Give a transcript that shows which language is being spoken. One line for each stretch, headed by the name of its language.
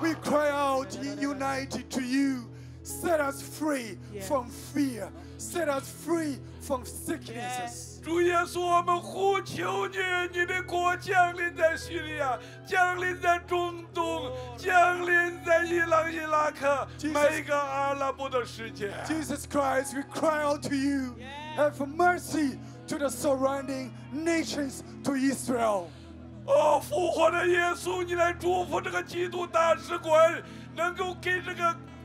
English: We cry out in united to you, set us free from fear, set us free from sicknesses.
Chinese: 主耶稣，我们呼求你，你的国降临在叙利亚，降临在中东，降临在伊朗、伊拉克，每一个阿拉伯的世界。
English: Jesus Christ, we cry out to you. Have mercy to the surrounding nations, to Israel.
Chinese: Oh, 复活的耶稣，你来祝福这个基督大使馆，能够给这个